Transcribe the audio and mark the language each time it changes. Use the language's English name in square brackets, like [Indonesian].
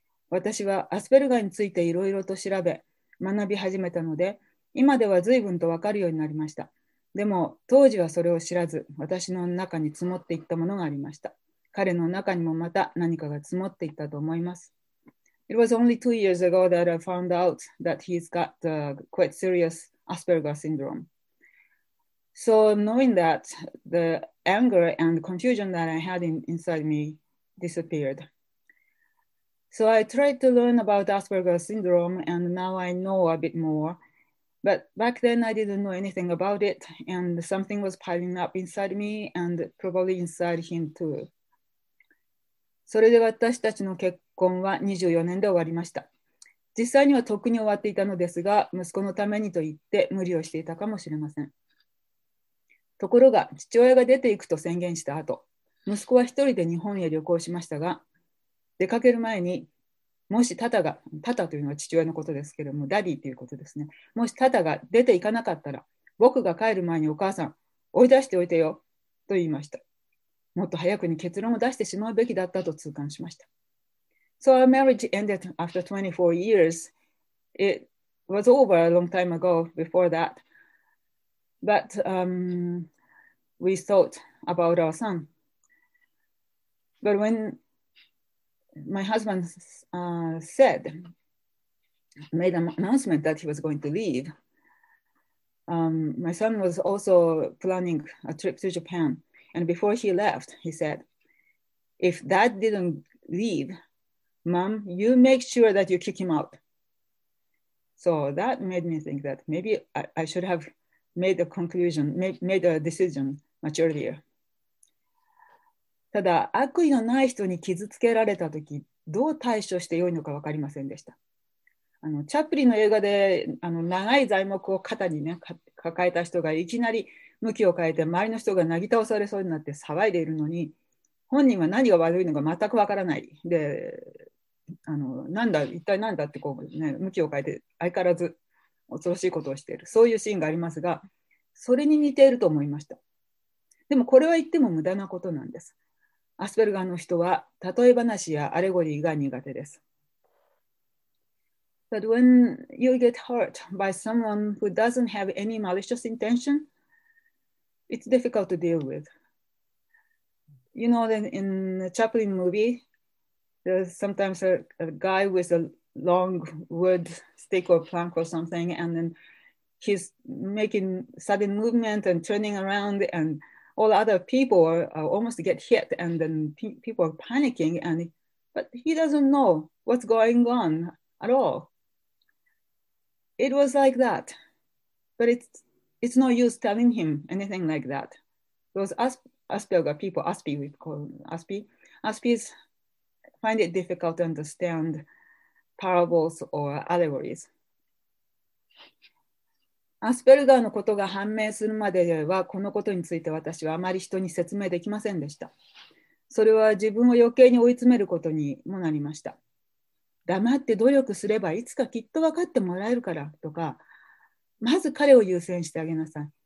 [Japanese] 私はアスペルガーについていろいろと調べ、学び始めたので、今では随分と分かるようになりました。でも、当時はそれを知らず、私の中に積もっていったものがありました。彼の中にもまた何かが積もっていったと思います。 [English] It was only 2 years ago that I found out that he's got the quite serious Asperger syndrome. So knowing that, the anger and confusion that I had inside me disappeared. So I tried to learn about Asperger syndrome and now I know a bit more. But back then I didn't know anything about it and something was piling up inside me and probably inside him too. [Japanese] それで私たちの結婚は24年で終わりました。実際にはとっくに終わっていたのですが、息子のためにと言って無理をしていたかもしれません。ところが父親が出ていくと宣言した後、息子は一人で日本へ旅行しましたが、出かける前にもしタタが、タタというのは父親のことですけれども、ダディということですね。もしタタが出て行かなかったら、僕が帰る前にお母さん、追い出しておいてよ、と言いました。もっと早くに結論を出してしまうべきだったと痛感しました。 [English] So our marriage ended after 24 years. It was over a long time ago before that. But we thought about our son. But when my husband made an announcement that he was going to leave, my son was also planning a trip to Japan. And before he left, he said, if dad didn't leave, mom, you make sure that you kick him out. So that made me think that maybe I should have made a conclusion, made a decision much earlier. [Japanese] ただ、悪意のない人に傷つけられたとき、どう対処してよいのか分かりませんでした。チャップリンの映画で長い材木を肩に、ね、抱えた人がいきなり向きを変えて、周りの人がなぎ倒されそうになって騒いでいるのに、本人は何が悪いのか全く分からない。で、なんだ、一体なんだってこう、ね、向きを変えて、相変わらず恐ろしいことをしている。そういうシーンがありますが、それに似ていると思いました。でもこれは言っても無駄なことなんです。アスペルガーの人は例え話やアレゴリーが苦手です。 [English] But when you get hurt by someone who doesn't have any malicious intention, it's difficult to deal with. You know that in a Chaplin movie, there's sometimes a guy with a long wood stick or plank or something, and then he's making sudden movement and turning around andAll other people almost get hit, and then people are panicking, but he doesn't know what's going on at all. It was like that, but it's no use telling him anything like that. Those Asperger people, Aspie, we call Aspie, Aspies find it difficult to understand parables or allegories. [Japanese] アスペルガーのことが判明するまではこのことについて私はあまり人に説明できませんでした。それは自分を余計に追い詰めることにもなりました。黙って努力すればいつかきっと分かってもらえるからとか、まず彼を優先してあげなさい。